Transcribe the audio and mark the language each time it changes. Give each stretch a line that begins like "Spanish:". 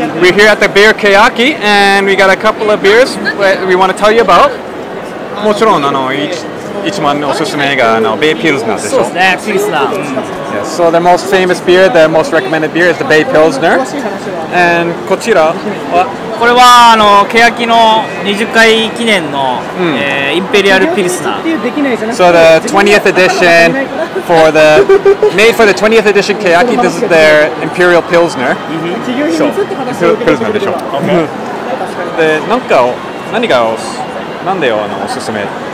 English: We're here at the Beer Keyaki, and we got a couple of beers we want to tell you about.
Japanese: もちろん、あの、一番おすすめが、あの、ベイピルズナーでしょ。そうですね、ピルズナー。
English: Yes. So the most famous beer, the most recommended beer is the Bay Pilsner. And
Japanese: こちらはこれはあのケヤキの20回記念の、インペリアルピルスナー。
English: So the 20th edition for the made for the 20th edition ケヤキ. This is their Imperial Pilsner.
Japanese: そう、ピルスナーでしょ。で、なんか何がなんでよあのおすすめ。